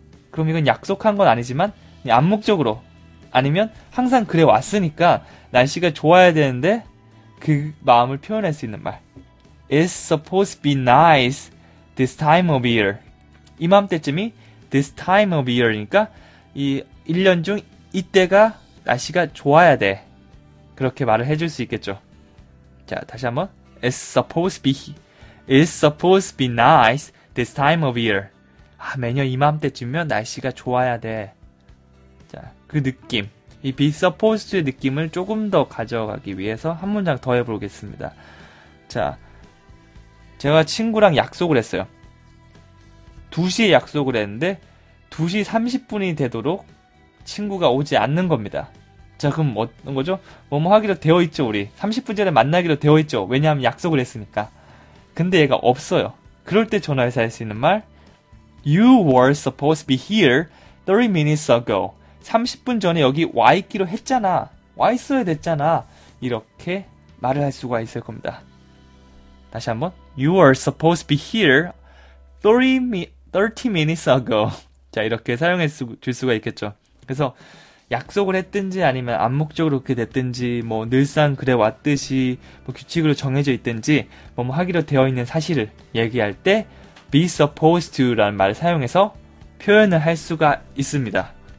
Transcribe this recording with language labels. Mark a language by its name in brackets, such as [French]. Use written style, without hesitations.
[Korean] 그럼 이건 약속한 건 아니지만 암묵적으로 아니면 항상 그래 왔으니까 날씨가 좋아야 되는데 그 마음을 표현할 수 있는 말 [English] It's supposed to be nice this time of year. [Korean] 이맘때쯤이 [English] this time of year [Korean] 이니까 이 1년 중 이때가 날씨가 좋아야 돼. 그렇게 말을 해줄 수 있겠죠. 자, 다시 한번 [English] It's supposed to be nice this time of year. [Korean] 아, 매년 이맘때쯤이면 날씨가 좋아야 돼. 자, 그 느낌. 이 be supposed의 느낌을 조금 더 가져가기 위해서 한 문장 더 해보겠습니다. 자, 제가 친구랑 약속을 했어요. 2시에 약속을 했는데 2시 30분이 되도록 친구가 오지 않는 겁니다. 자, 그럼 어떤 거죠? 뭐뭐 하기로 되어 있죠, 우리. 30분 전에 만나기로 되어 있죠. 왜냐하면 약속을 했으니까. 근데 얘가 없어요. 그럴 때 전화해서 할 수 있는 말 [English] You were supposed to be here 30 minutes ago. [Korean] 30분 전에 여기 와 있기로 했잖아. 와 있어야 됐잖아. 이렇게 말을 할 수가 있을 겁니다. 다시 한번 [English] You were supposed to be here 30 minutes ago. [Korean] 자, 이렇게 사용해 줄 수가 있겠죠. 그래서 약속을 했든지 아니면 암묵적으로 그렇게 됐든지 뭐 늘상 그래 왔듯이 뭐 규칙으로 정해져 있든지 뭐 하기로 되어 있는 사실을 얘기할 때 be supposed to 라는 말을 사용해서 표현을 할 수가 있습니다.